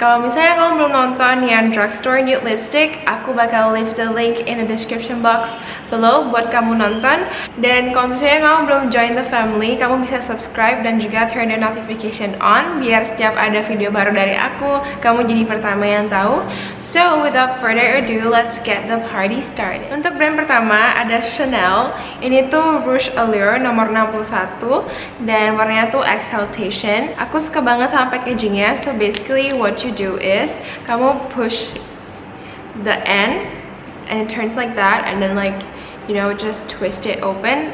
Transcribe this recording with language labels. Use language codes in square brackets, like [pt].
[id] Kalau misalnya kamu belum nonton yang drugstore nude lipstick, aku bakal [en] leave the link in the description box below [id] buat kamu nonton. Dan kalau misalnya kamu belum [en] join the family, [id] kamu bisa subscribe dan juga [en] turn the notification on [id] biar setiap ada video baru dari aku, kamu jadi pertama yang tahu. [en] So without further ado, let's get the party started. [id] Untuk brand pertama ada Chanel. Ini tuh Rouge Allure nomor 61 dan warnanya tuh Exaltation. Aku suka banget sama packagingnya. [en] So basically what you do is kamu push the end and it turns like that and then like you know just twist it open.